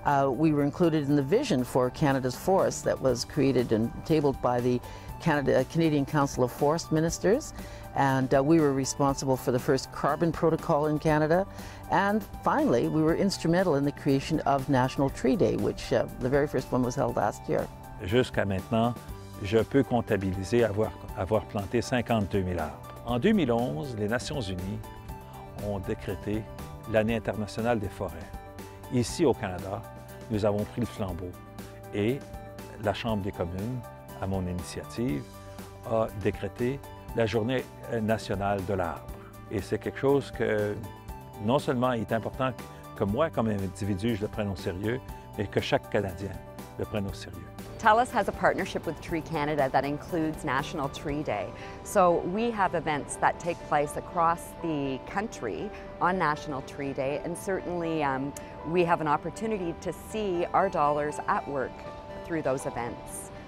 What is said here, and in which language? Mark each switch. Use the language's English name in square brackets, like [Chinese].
[English] We were included in the vision for Canada's forests that was created and tabled by the Canadian Council of Forest Ministers. And we were responsible for the first carbon protocol in Canada. And finally, we were instrumental in the creation of National Tree Day, which the very first one was held last year. [French] Jusqu'à maintenant, je peux comptabiliser avoir planté 52,000 arbres. En 2011, les Nations Unies ont décrété l'année internationale des forêts. Ici au Canada, nous avons pris le flambeau et la Chambre des communes, à mon initiative, a décrété la Journée nationale de l'arbre. Et c'est quelque chose que non seulement il est important que moi, comme individu, je le prenne au sérieux, mais que chaque Canadien le prenne au sérieux. [English] TELUS has a partnership with Tree Canada that includes National Tree Day. So we have events that take place across the country on National Tree Day, and certainly we have an opportunity to see our dollars at work through those events.